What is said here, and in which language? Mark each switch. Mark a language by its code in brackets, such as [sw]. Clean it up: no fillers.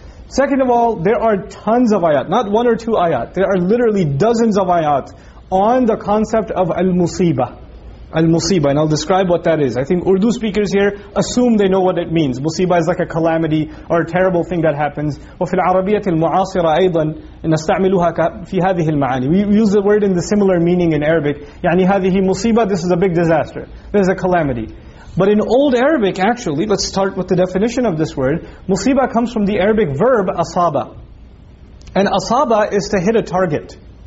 [en] Second of all, there are tons of ayat, not one or two ayat, there are literally dozens of ayat on the concept of al-musibah. Al-musibah, and I'll describe what that is. I think Urdu speakers here assume they know what it means. Musibah is like a calamity or a terrible thing that happens. [ar] وفي العربية المعاصرة أيضا نستعملها في هذه المعاني. [en] We use the word in the similar meaning in Arabic. [ar] يعني هذه مصيبة, [en] this is a big disaster. This is a calamity. But in Old Arabic actually, let's start with the definition of this word. Musibah comes from the Arabic verb asaba. And asaba is to hit a target.